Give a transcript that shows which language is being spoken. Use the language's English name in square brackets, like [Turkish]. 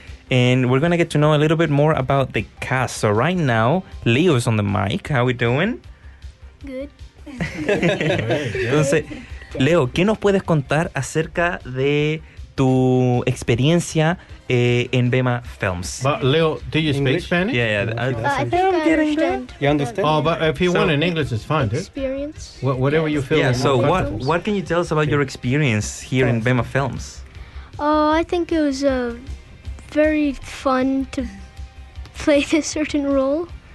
[English] And we're going to get to know a little bit more about the cast. So right now, Leo is on the mic. How are we doing? Good. [Spanish] Entonces, Leo, ¿qué nos puedes contar acerca de tu experiencia en Bema Films? [English] But Leo, do you speak English? Spanish? Yeah, I think I understand. You understand? Oh, but if you want in English, it's fine, dude. Experience. Whatever you feel. Yeah, so what can you tell us about your experience here in Bema Films? Oh, I think it was... very fun to play this certain role.